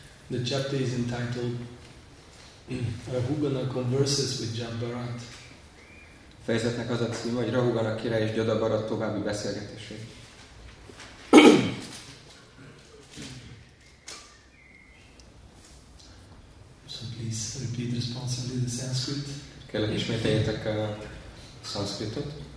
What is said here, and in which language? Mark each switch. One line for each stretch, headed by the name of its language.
English: The chapter is entitled Rahugana converses with Jadabharat.
Hungarian: Fejezetnek az a címe, hogy Rahugana király és Jadabharat további beszélgetése.
English: So please repeat responsibly the Sanskrit.
Hungarian: Kérlek, ismételjétek a szanszkritot.